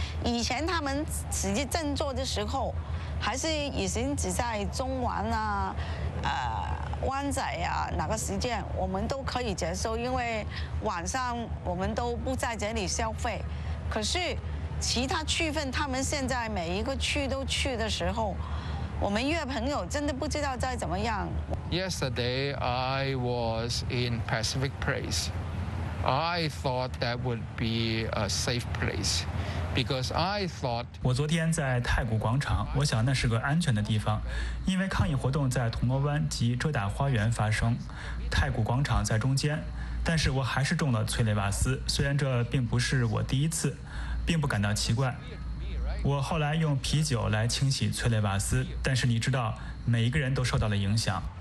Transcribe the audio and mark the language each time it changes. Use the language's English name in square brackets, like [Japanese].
[Chinese] 以前他们实际振作的时候还是已经只在中环啊湾仔啊哪个时间我们都可以接受，因为晚上我们都不在这里消费。可是其他区分他们现在每一个区都去的时候，我们约朋友真的不知道在怎么样。 [English] Yesterday I was in Pacific Place I thought that would be a safe place because I thought [Chinese] 我昨天在太古广场，我想那是个安全的地方，因为抗议活动在铜锣湾及遮打花园发生，太古广场在中间，但是我还是中了催泪瓦斯，虽然这并不是我第一次，并不感到奇怪。我后来用啤酒来清洗催泪瓦斯，但是你知道，每一个人都受到了影响。